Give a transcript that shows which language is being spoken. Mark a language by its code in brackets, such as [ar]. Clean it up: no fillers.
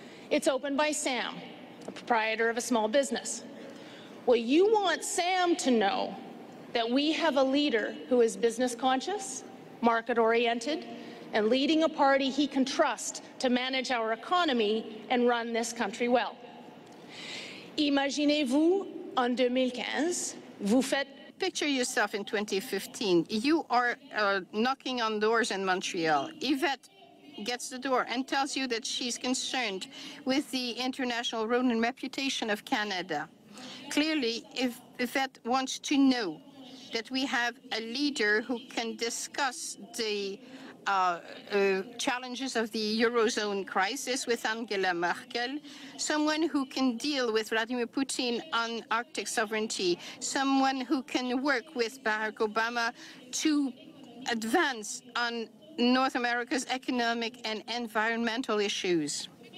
[en] It's opened by Sam, a proprietor of a small business. Well, you want Sam to know that we have a leader who is business conscious, market oriented, and leading a party he can trust to manage our economy and run this country well. [fr] Imaginez-vous en 2015, vous faites... [en] Picture yourself in 2015. You are knocking on doors in Montreal. Yvette gets the door and tells you that she's concerned with the international role and reputation of Canada. Clearly, if Yvette wants to know that we have a leader who can discuss the challenges of the Eurozone crisis with Angela Merkel, someone who can deal with Vladimir Putin on Arctic sovereignty, someone who can work with Barack Obama to advance on North America's economic and environmental issues.